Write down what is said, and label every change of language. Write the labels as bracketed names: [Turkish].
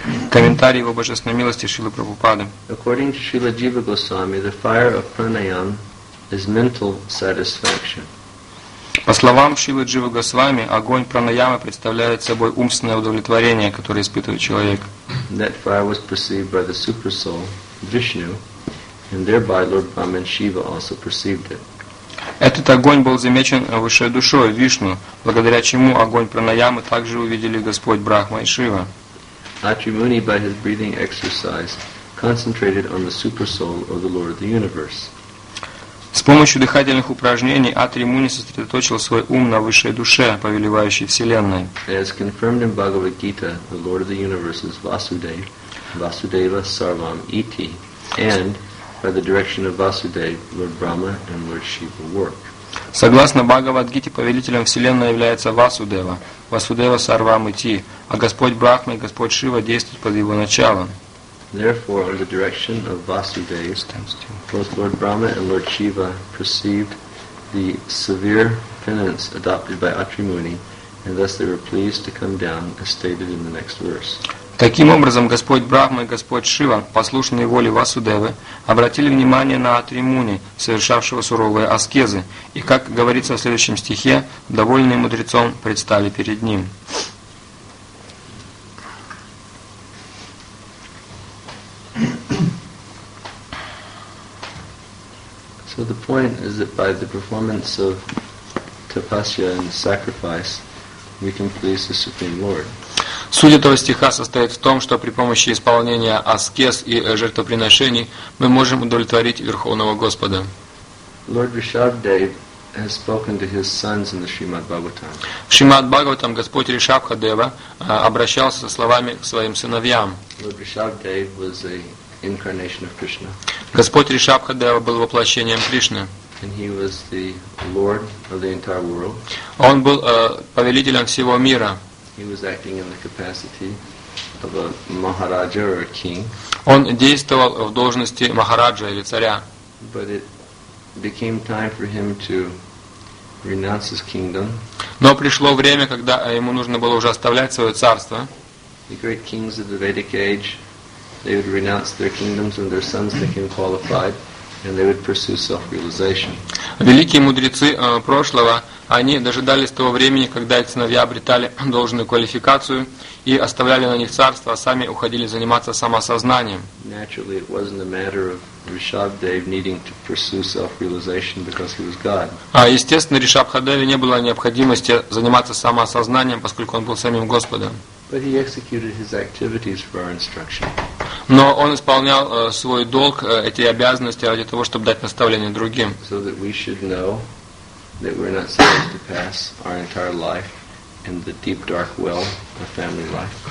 [Russian] Комментарий его божественной милости Шрилы Прабхупады. [English] According to Srila Jiva Goswami, the fire of pranayam is mental satisfaction. [Russian] По словам Шрилы Джива Госвами, огонь пранаямы представляет собой умственное удовлетворение, которое испытывает человек. [English] That fire was perceived by the super soul, Vishnu, and thereby Lord Brahma and Shiva also perceived it. [Russian] Этот огонь был замечен высшей душой, Вишну, благодаря чему огонь пранаямы также увидели Господь Брахма и Шива. [English] Atri Muni, by his breathing exercise, concentrated on the super soul or the Lord of the universe. [Russian] С помощью дыхательных упражнений Атри Муни сосредоточил свой ум на высшей душе, повелевающей Вселенной. [English] As confirmed in Bhagavad Gita, the Lord of the universe is Vasudev, Vasudeva Sarvam Iti, and by the direction of Vasudeva, Lord Brahma and Lord Shiva work. [Russian] Согласно Бхагавад-гите, повелителем Вселенной является Васудева, Васудева Сарвам Ити, а Господь Брахма и Господь Шива действуют под его началом. [English] Therefore, under the direction of Vasudeva, both Lord Brahma and Lord Shiva perceived the severe penance adopted by Atri Muni, and thus they were pleased to come down, as stated in the next verse. [Russian] Таким образом, Господь Брахма и Господь Шива, послушные воле Васудевы, обратили внимание на Атри Муни, совершавшего суровые аскезы, и, как говорится в следующем стихе, довольные мудрецом предстали перед ним. [English] So the point is that by the performance of tapasya and sacrifice, we can please the Supreme Lord. [Russian] Суть этого стиха состоит в том, что при помощи исполнения аскез и жертвоприношений мы можем удовлетворить Верховного Господа. [English] Lord Rishabhdev has spoken to his sons in the Srimad Bhagavatam. [Russian] В Шримад Бхагаватам Господь Ришабхадева обращался со словами к своим сыновьям. [English] Lord Rishabhdev was an incarnation of Krishna. [Russian] Господь Ришабхадева был воплощением Кришны. [English] And he was the Lord of the entire world. [Russian] Он был повелителем всего мира. [English] He was acting in the capacity of a maharaja or a king. [Russian] Он действовал в должности махараджа или царя. [English] But it became time for him to renounce his kingdom. [Russian] Но пришло время, когда ему нужно было уже оставлять свое царство. [English] The great kings of the Vedic age, they would renounce their kingdoms when their sons became qualified, and they would pursue self-realization. [Russian] Великие мудрецы прошлого, они дожидались того времени, когда их сыновья обретали должную квалификацию и оставляли на них царство, а сами уходили заниматься самосознанием. [English] Naturally, it wasn't a matter of Rishabhdev needing to pursue self-realization because he was God. [Russian] Естественно, Ришабхадеве не было необходимости заниматься самосознанием, поскольку он был самим Господом. [English] But he executed his activities for our instruction. [Russian] Но он исполнял свой долг, эти обязанности ради того, чтобы дать наставление другим. [English] So that we should know that we're not supposed to pass our entire life in the deep dark well of family life.